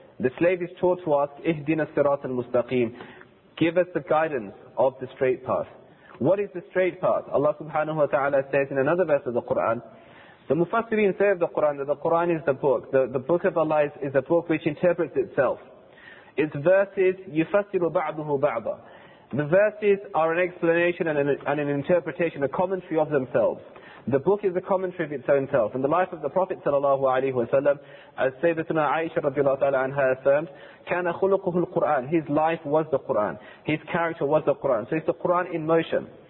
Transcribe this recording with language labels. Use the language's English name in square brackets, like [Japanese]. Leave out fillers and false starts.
[English] The slave is taught to ask, [Arabic] اِهْدِنَا الصِّرَاطَ الْمُسْتَقِيمِ. [English] Give us the guidance of the straight path. What is the straight path? Allah subhanahu wa ta'ala says in another verse of the Qur'an, the Mufassirin say of the Qur'an that the Qur'an is the book. The book of Allah is a book which interprets itself. Its verses, [Arabic] يُفَسِّرُ بَعْضُهُ بَعْضًا. [English] The verses are an explanation and an interpretation, a commentary of themselves. The book is a commentary of its own self. And the life of the Prophet sallallahu alaihi wasallam, as Sayyidatuna Aisha radiallahu ta'ala anha affirmed, [Arabic] كَانَ خُلُقُهُ الْقُرْآنِ. [English] His life was the Qur'an. His character was the Qur'an. So it's the Qur'an in motion.